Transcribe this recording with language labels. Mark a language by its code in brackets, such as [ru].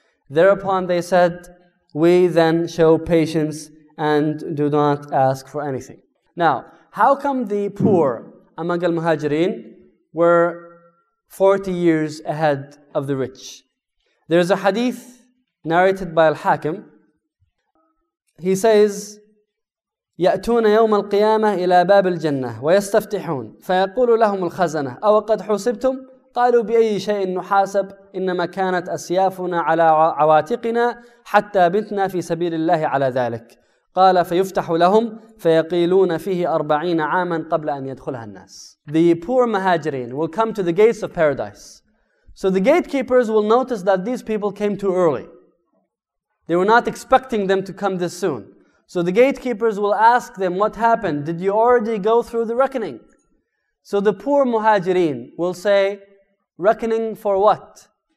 [en] Thereupon they said, we then show patience and do not ask for anything. Now, how come the poor among al-muhajirin were 40 years ahead of the rich? There is a hadith narrated by al-Hakim. [ar] He says, يأتون يوم القيامة إلى باب الجنة ويستفتحون فيقول لهم الخزنة أو قد حسبتم قالوا بأي شيء نحاسب إنما كانت أسيافنا على عواتقنا حتى بتنا في سبيل الله على ذلك قال فيفتح لهم فيقيلون فيه 40 عاما قبل أن يدخلها الناس. [en] The poor muhajirin will come to the gates of paradise. So the gatekeepers will notice that these people came too early. They were not expecting them to come this soon. So the gatekeepers will ask them, what happened? Did you already go through the reckoning? So the poor muhajirin will say, reckoning for what?